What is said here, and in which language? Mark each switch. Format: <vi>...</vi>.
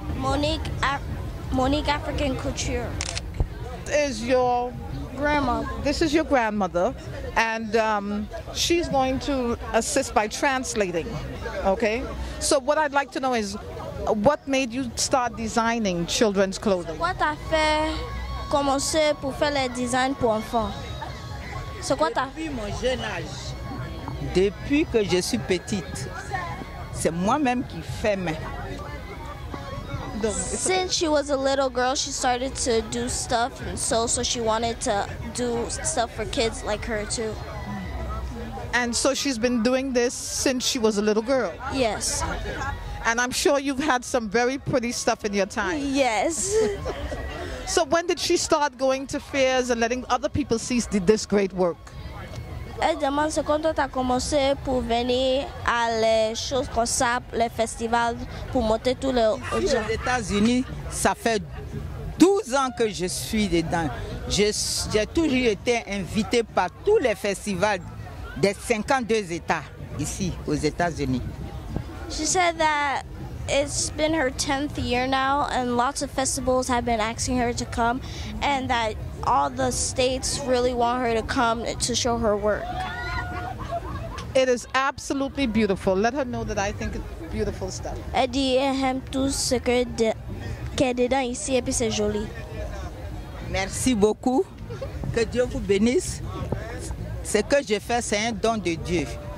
<en>Monique African Couture. This is your grandma. This is your grandmother. And she's going to assist by translating, okay? So what I'd like to know is, what made you start designing children's clothing?</en> <fr>C'est quoi t'as fait commencer pour faire les designs pour enfants? C'est quoi t'as fait? Depuis mon jeune âge, depuis que je suis petite, c'est moi-même qui fais mes.</fr> <en>Since she was a little girl, she started to do stuff and sew, so she wanted to do stuff for kids like her too. And so she's been doing this since she was a little girl? Yes. And I'm sure you've had some very pretty stuff in your time. Yes. So when did she start going to fairs and letting other people see this great work?</en> <fr>Elle demande, c'est quand tu as commencé pour venir à les choses comme ça, les festivals, pour monter tous les gens. Aux États-Unis, ça fait 12 ans que je suis dedans. J'ai toujours été invité par tous les festivals des 52 États ici, aux États-Unis.</fr> <en>She said that it's been her 10th year now, and lots of festivals have been asking her to come, and that all the states really want her to come to show her work. It is absolutely beautiful. Let her know that I think it's beautiful stuff.</en> <fr>Elle dit qu'elle aime tout ce qu'elle est dedans ici et puis c'est joli. Merci beaucoup. Que Dieu vous bénisse. Ce que je fais, c'est un don de Dieu.</fr>